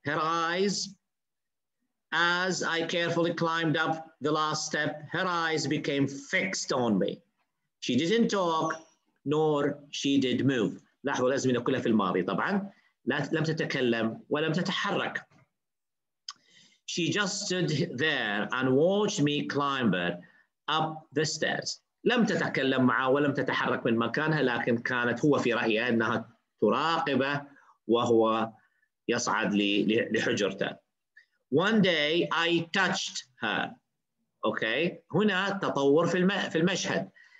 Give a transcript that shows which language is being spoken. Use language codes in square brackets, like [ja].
[en] Her eyes, as I carefully climbed up the last step, her eyes became fixed on me. She didn't talk, nor she did move. [ar] لاحظوا لازم نقولها في الماضي طبعا، لم تتكلم ولم تتحرك. [en] She just stood there and watched me climb up the stairs. [ar] لم تتكلم معه ولم تتحرك من مكانها، لكن كانت هو في رأيها أنها تراقبه وهو يصعد لحجرته. [en] One day I touched her. Okay. [ar] هنا تطور في المشهد.